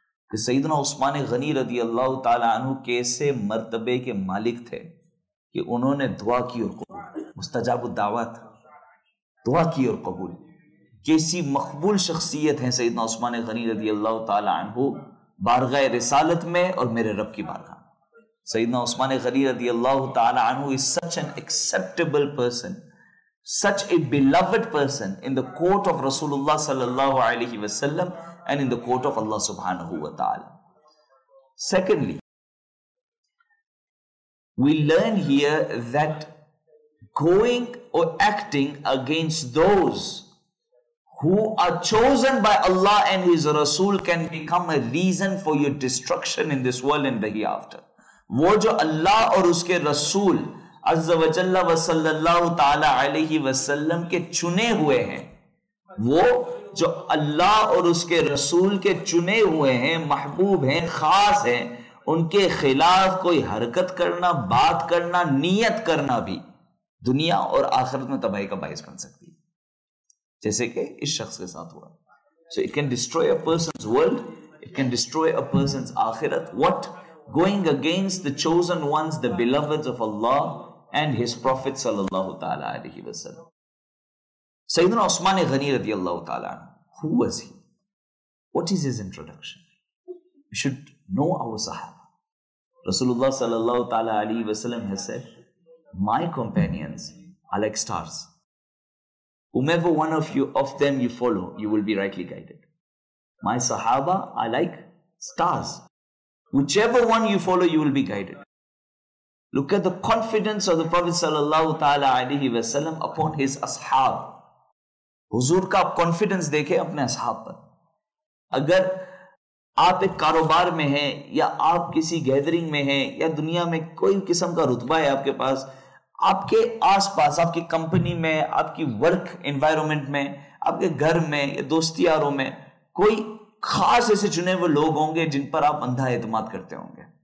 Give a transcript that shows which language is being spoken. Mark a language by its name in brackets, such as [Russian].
[Urdu] کہ سیدنا عثمان غنی رضی اللہ تعالیٰ عنہ کیسے مرتبے کے مالک تھے کہ انہوں نے دعا کی اور قبول, مستجاب الدعوات, دعا کی اور قبول. کیسی مقبول شخصیت ہیں سیدنا عثمان غنی رضی اللہ تعالیٰ عنہ بارگاہ رسالت میں اور میرے رب کی بارگاہ. [English] سیدنا عثمان غنی رضی اللہ تعالیٰ عنہ is such an acceptable person, such a beloved person in the court of رسول اللہ صلی اللہ علیہ وسلم and in the court of Allah subhanahu wa ta'ala. Secondly, we learn here that going or acting against those who are chosen by Allah and His Rasul can become a reason for your destruction in this world and the hereafter. [Urdu] Woh jo Allah aur uske Rasul azza wa jalla wa sallallahu ta'ala alayhi wa sallam ke chune huye hain, woh جو اللہ اور اس کے رسول کے چنے ہوئے ہیں, محبوب ہیں, خاص ہیں, ان کے خلاف کوئی حرکت کرنا, بات کرنا, نیت کرنا بھی دنیا اور آخرت میں تباہی کا باعث بن سکتی ہے, جیسے کہ اس شخص کے ساتھ ہوا. [English] So it can destroy a person's world, it can destroy a person's آخرت. What going against the chosen ones, the beloveds of Allah and his prophet صلی اللہ تعالی علیہ وسلم. سیدنا عثمان غنی رضی اللہ تعالیٰ عنہ, who was he? What is his introduction? We should know our Sahaba. رسول اللہ صلی اللہ تعالیٰ علیہ وسلم has said, my companions are like stars. Whomever one of you, of them you follow, you will be rightly guided. My Sahaba are like stars. Whichever one you follow, you will be guided. Look at the confidence of the Prophet صلی اللہ تعالیٰ علیہ وسلم upon his Ashab. [Urdu] حضور کا آپ confidence دیکھیں اپنے اصحاب پر. اگر آپ ایک کاروبار میں ہیں یا آپ کسی گیدرنگ میں ہیں یا دنیا میں کوئی قسم کا رتبہ ہے آپ کے پاس, آپ کے آس پاس, آپ کی کمپنی میں, آپ کی ورک انوائرمنٹ میں, آپ کے گھر میں یا دوست یاروں میں کوئی خاص ایسے چنے ہوئے لوگ ہوں گے جن پر آپ اندھا اعتماد کرتے ہوں گے.